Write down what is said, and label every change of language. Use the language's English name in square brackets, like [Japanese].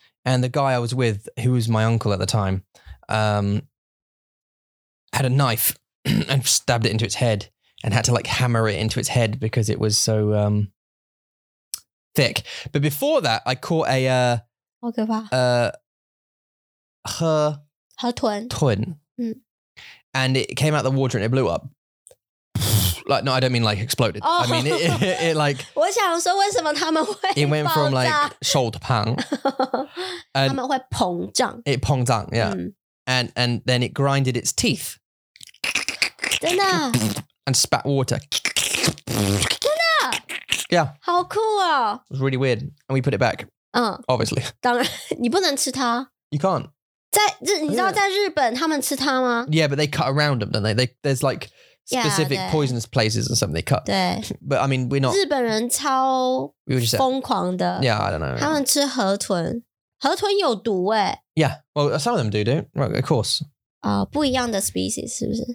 [English] And the guy I was with, who was my uncle at the time, had a knife and stabbed it into its head and had to like hammer it into its head because it was so thick. But before that, I caught a... [Chinese] 好可怕。河豚。豚。 [English] And it came out the water and it blew up. Like, no, I don't mean like exploded. Oh. I mean, it like... [Chinese] 我想说为什么他们会爆炸。 [English] It went from like [Chinese] 手的胖。他们会膨胀。 [English] It 膨胀, yeah. And then it grinded its teeth. [Chinese] 真的。 [English] And spat water. [Chinese] 真的。 [English] Yeah. [Chinese] 好酷哦。 [English] It was really weird. And we put it back. Obviously. [Chinese] 当然,你不能吃它。 [English] You can't. [Chinese] 你知道在日本他们吃它吗? [English] Yeah, but they cut around them, don't they? There's like specific poisonous places or something they cut. [Chinese] 对。 [English] But I mean, we're not... [Chinese] 日本人超疯狂的。 [English] Yeah, I don't know. [Chinese] 他们吃河豚。河豚有毒耶。 [English] Yeah, well, some of them don't. Right, of course. [Chinese] 不一样的 species, 是不是?